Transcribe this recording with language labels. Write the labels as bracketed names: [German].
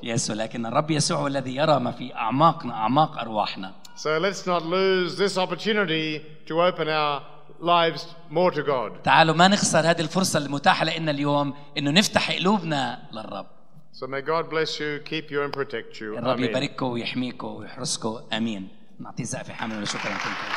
[Arabic] Yes, ولكن الرب يسوع الذي يرى ما في اعماقنا اعماق ارواحنا. [English] So let's not lose this opportunity to open our lives more to God. [Arabic] تعالوا ما نخسر هذه الفرصة المتاحة لنا اليوم إنه نفتح قلوبنا للرب. [English] So may God bless you, keep you, and protect you. [Arabic] الرب يبارككم ويحميكم ويحرسكم. آمين. نعطي زقفة حاملة وشكرا لكم.